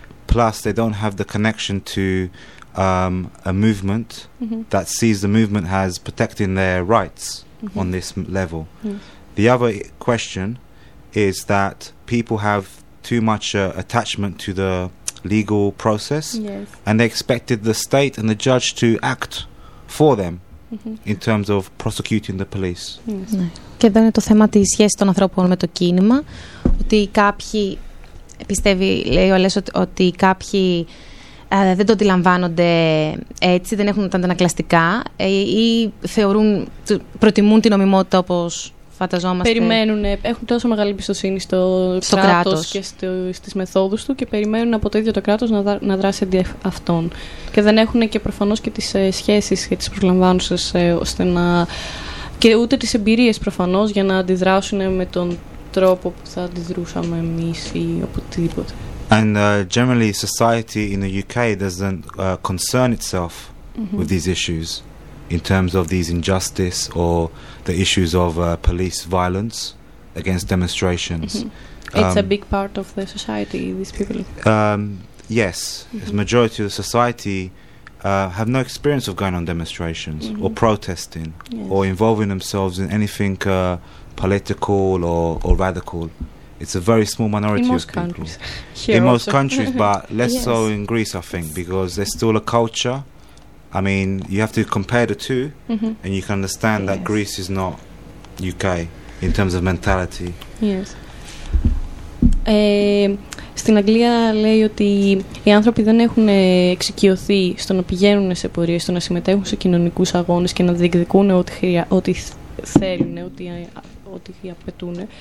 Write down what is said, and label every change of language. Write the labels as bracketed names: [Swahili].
[English] Plus, they don't have the connection to a movement that sees the movement as protecting their rights on this level. The other question is that people have too much attachment to the legal process, yes. and they expected the state and the judge to act for them in terms of prosecuting the police. [Greek] Και εδώ είναι το θέμα της σχέσης των ανθρώπων με το κίνημα, ότι κάποιοι πιστεύει, λέει ο Αλές, ότι κάποιοι δεν το αντιλαμβάνονται έτσι, δεν έχουν τα αντανακλαστικά ή θεωρούν, προτιμούν την νομιμότητα όπως φανταζόμαστε. Περιμένουν, έχουν τόσο μεγάλη εμπιστοσύνη στο κράτος και στις μεθόδους του και περιμένουν από το ίδιο το κράτος να δράσει αντί αυτών. Και δεν έχουν και προφανώς και τις σχέσεις και τις προσλαμβάνουσες ώστε να... και ούτε τις εμπειρίες προφανώς για να αντιδράσουν με τον τρόπο που θα αντιδρούσαμε εμείς ή οπουδήποτε. [English] And generally society in the UK doesn't concern itself with these issues in terms of these injustice or the issues of police violence against demonstrations. It's a big part of the society, these people. Yes, the majority of the society have no experience of going on demonstrations or protesting or involving themselves in anything political or radical. It's a very small minority of people. In most countries, but less so in Greece, I think, because there's still a culture. I mean, you have to compare the two and you can understand that Greece is not UK in terms of mentality. Yes. [Greek] Στην Αγγλία λέει ότι οι άνθρωποι δεν έχουν εξοικειωθεί στο να πηγαίνουν σε πορείες, στο να συμμετέχουν σε κοινωνικούς αγώνες και να διεκδικούν ό,τι θέλουν, ό,τι απαιτούν.